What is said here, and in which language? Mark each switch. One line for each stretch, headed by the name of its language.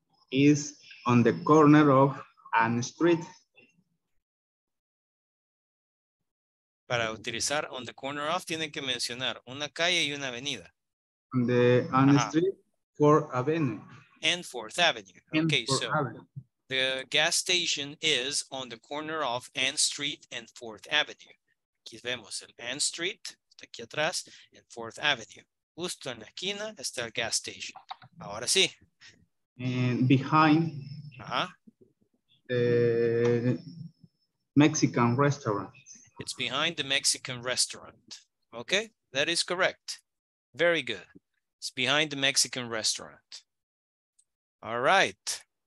English: Is on the corner of Ann Street.
Spanish: Para utilizar
English: on the corner of,
Spanish: tiene que mencionar una calle y una avenida.
English: On the Ann Street, 4th Avenue. And 4th Avenue. Okay, so. The gas station is on the corner of Ann Street and 4th Avenue.
Spanish: Aquí vemos el Ann Street, está aquí atrás,
English: and 4th Avenue.
Spanish: Justo en la esquina está el gas station. Ahora sí.
English: And behind the Mexican restaurant. It's behind the Mexican restaurant. Okay, that is correct. Very good. It's behind the Mexican restaurant. All right.